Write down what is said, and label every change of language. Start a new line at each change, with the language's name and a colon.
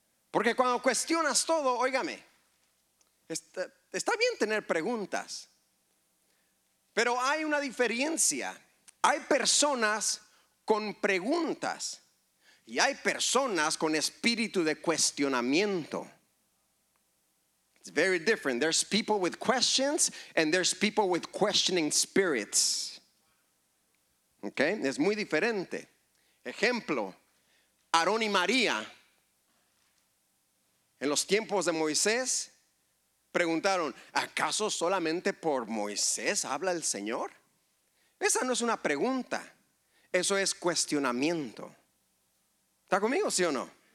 Spanish: Porque cuando cuestionas todo, óigame, está bien tener preguntas, pero hay una diferencia. Hay personas con preguntas y hay personas con espíritu de cuestionamiento.
English: It's very different. There's people with questions and there's people with questioning spirits.
Spanish: Okay, es muy diferente. Ejemplo, Aarón y María, en los tiempos de Moisés, preguntaron: ¿acaso solamente por Moisés habla el Señor? Esa no es una pregunta, eso es cuestionamiento. ¿Está conmigo, sí o no?